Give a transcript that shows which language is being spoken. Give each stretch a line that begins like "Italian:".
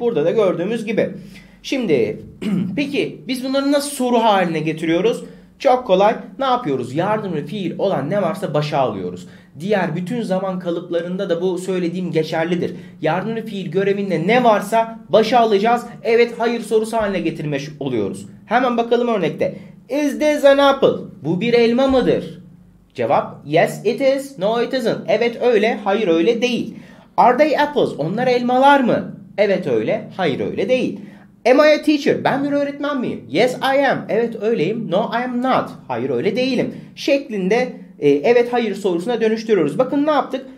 Turkish: Burada da gördüğümüz gibi. Şimdi peki biz bunları nasıl soru haline getiriyoruz? Çok kolay. Ne yapıyoruz? Yardımcı fiil olan ne varsa başa alıyoruz. Diğer bütün zaman kalıplarında da bu söylediğim geçerlidir. Yardımcı fiil görevinde ne varsa başa alacağız. Evet, hayır sorusu haline getirmiş oluyoruz. Hemen bakalım örnekte.
English: Is this an apple?
Turkish: Bu bir elma mıdır?
English: Cevap yes it is, no it isn't.
Turkish: Evet öyle, hayır öyle değil.
English: Are they apples?
Turkish: Onlar elmalar mı? Evet öyle, hayır öyle değil.
English: Am I a teacher?
Turkish: Ben bir öğretmen miyim?
English: Yes I am.
Turkish: Evet öyleyim.
English: No I am not.
Turkish: Hayır öyle değilim. Şeklinde evet hayır sorusuna dönüştürüyoruz. Bakın ne yaptık?